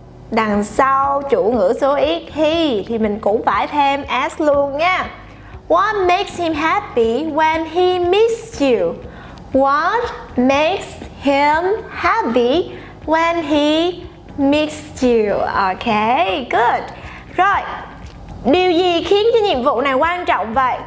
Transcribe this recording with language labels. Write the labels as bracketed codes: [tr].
[vi] Đằng sau chủ ngữ số ít he thì mình cũng phải thêm S luôn nha. [en] What makes him happy when he meets you? What makes him happy when he meets you? Ok, good. [vi] Rồi, điều gì khiến cho nhiệm vụ này quan trọng vậy?